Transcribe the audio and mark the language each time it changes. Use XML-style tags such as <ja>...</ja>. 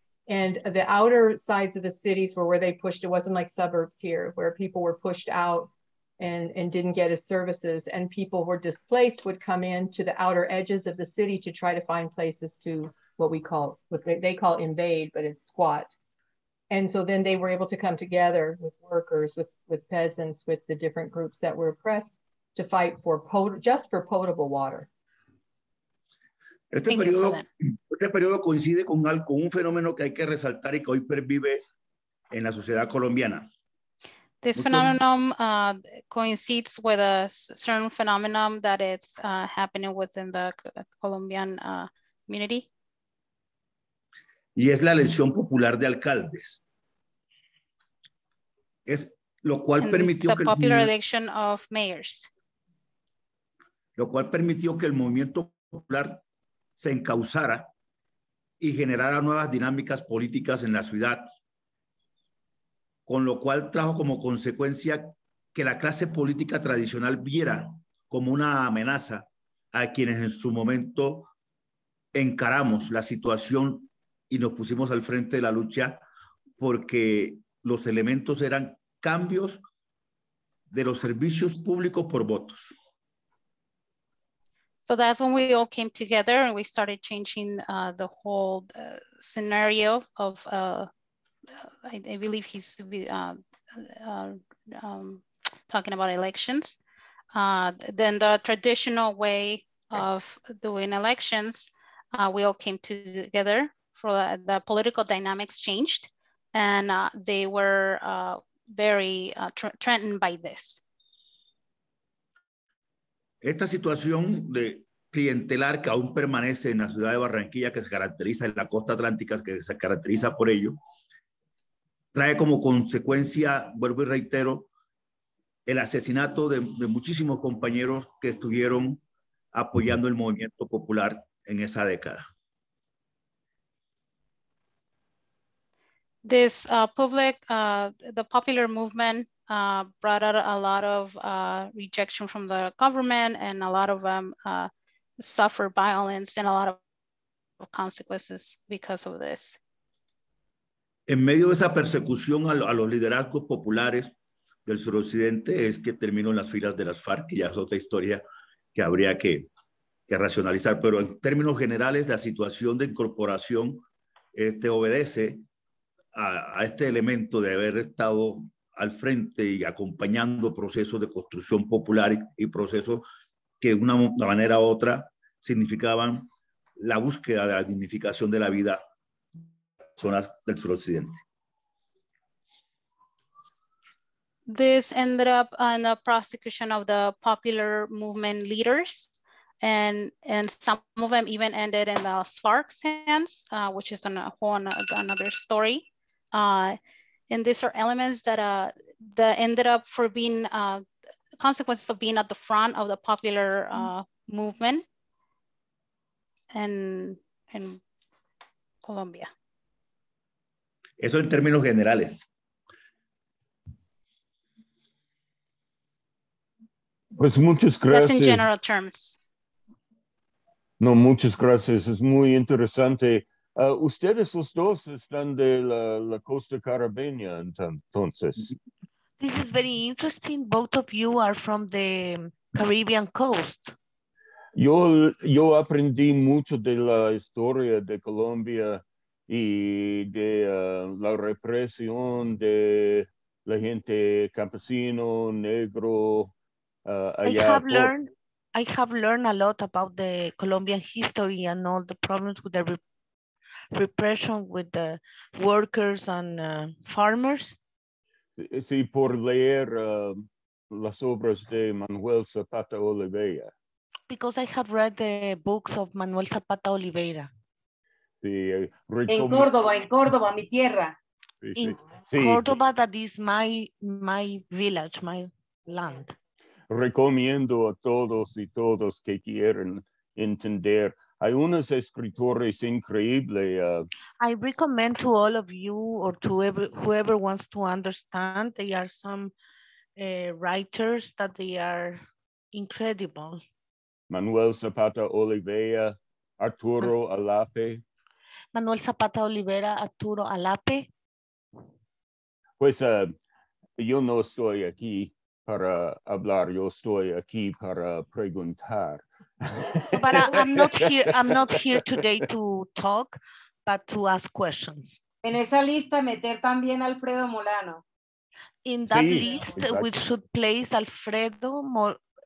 <en>And the outer sides of the cities were where they pushed. It wasn't like suburbs here where people were pushed out and didn't get his services, and people were displaced would come in to the outer edges of the city to try to find places to what they call invade, but it's squat. And so then they were able to come together with workers, with peasants, with the different groups that were oppressed to fight for just for potable water.</en> <es>Este periodo coincide con un fenómeno que hay que resaltar y que hoy pervive en la sociedad colombiana.</es> <en>This phenomenon coincides with a certain phenomenon that is happening within the Colombian community.</en> <es>y es la elección popular de alcaldes. Es lo cual permitió que</es> <en>popular election of mayors.</en> <es>Lo cual permitió que el movimiento popular se encauzara y generara nuevas dinámicas políticas en la ciudad, con lo cual trajo como consecuencia que la clase política tradicional viera como una amenaza a quienes en su momento encaramos la situación y nos pusimos al frente de la lucha, porque los elementos eran cambios de los servicios públicos por votos.</es> <en>So that's when we all came together and we started changing the whole scenario of, I believe he's talking about elections. Then the traditional way of doing elections, we all came together for the political dynamics changed, and they were very threatened by this.</en> <es>Esta situación de clientelar que aún permanece en la ciudad de Barranquilla, que se caracteriza en la costa atlántica, que se caracteriza por ello, trae como consecuencia, vuelvo y reitero, el asesinato de muchísimos compañeros que estuvieron apoyando el movimiento popular en esa década.</es> <en>This public, the popular movement brought out a lot of rejection from the government, and a lot of them suffer violence and a lot of consequences because of this.</en> <es>En medio de esa persecución a los liderazgos populares del suroccidente es que terminó en las filas de las FARC, que ya es otra historia que habría que racionalizar. Pero en términos generales, la situación de incorporación obedece a este elemento de haber estado al frente y acompañando procesos de construcción popular y procesos que de una manera u otra significaban la búsqueda de la dignificación de la vida en zonas del suroccidente.</es> <en>This ended up on the prosecution of the popular movement leaders, and some of them even ended in the Sparks hands, which is another story. And these are elements that ended up for being consequences of being at the front of the popular movement in Colombia.</en> <es>Eso en términos generales. Pues muchas gracias.</es> <en>That's in general terms.</en> <es>No, muchas gracias. Es muy interesante. Ustedes los dos están de la costa caribeña, entonces.</es> <en>This is very interesting. Both of you are from the Caribbean coast.</en> <es>Yo aprendí mucho de la historia de Colombia y de la represión de la gente campesino, negro.</es> <en>I have learned a lot about the Colombian history and all the problems with the repression with the workers and farmers.</en> <es>Sí, por leer las obras de Manuel Zapata Oliveira.</es> <en>Because I have read the books of Manuel Zapata Oliveira.</en> <es>Sí, En Córdoba, mi tierra. Sí.</es> <en>Córdoba, that is my village, my land.</en> <es>Recomiendo a todos y todas que quieren entender. Hay unos escritores increíbles.</es> <en>I recommend to all of you or to whoever wants to understand, they are some writers that they are incredible.</en> <es>Manuel Zapata Oliveira, Arturo Alape.</es> <en>Manuel Zapata Oliveira, Arturo Alape.</en> <es>Pues yo no estoy aquí para hablar, yo estoy aquí para preguntar.</es> <en>But I'm not here today to talk, but to ask questions.</en> <es>En esa lista meter también Alfredo Molano.</es> <en>In that</en> <es>sí,</es> <en>list, exactly. We should place Alfredo Molano.</en>